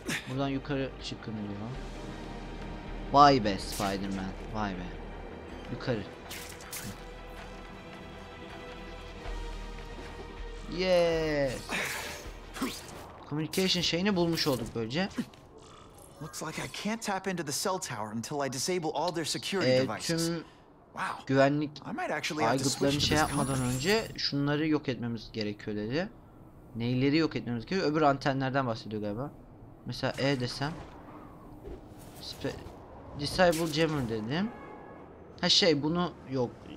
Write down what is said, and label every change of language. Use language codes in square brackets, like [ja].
[tr] Buradan yukarı çıkın diyor. Vay be Spider-Man. Vay be. Yukarı. [en] Yes. [tr] Communication şeyini bulmuş olduk böylece. [en] Looks like I can't tap into the cell tower until I disable all their security devices. [tr] Tüm güvenlik aygıtlarını şey yapmadan önce şunları yok etmemiz gerekiyor dedi. Neyleri yok etmemiz gerekiyor? Öbür antenlerden bahsediyor galiba. Mesela E desem. [en] Disable jammer [tr] dedim. Ha şey, bunu yok.